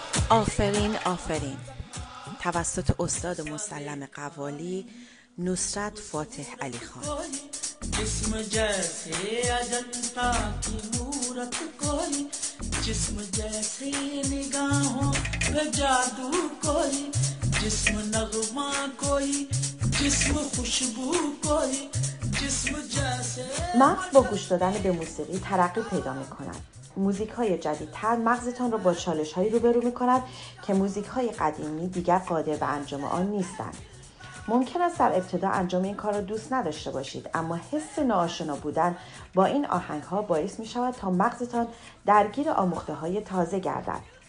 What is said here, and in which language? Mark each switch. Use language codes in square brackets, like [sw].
[fa] آفرین آفرین. توسط استاد مسلم قوالی، نصرت فاتح علی خان. [ur] جسم جیسے اجنتا کی مورت کوئی، جسم جیسے نگاہوں پہ جادو کوئی، جسم نغمہ کوئی، جسم خوشبو کوئی، جسم جیسے. [fa] مغز با گوش دادن به موسیقی ترقی پیدا میکند. موزیک های جدیدتر مغزتان را با چالش هایی روبرو می کند که موزیک های قدیمی دیگر قادر به انجام آن نیستند. ممکن است در ابتدا انجام این کار را دوست نداشته باشید، اما حس ناآشنا بودن با این آهنگ ها باعث می شود تا مغزتان درگیر آموخته های تازه گردد.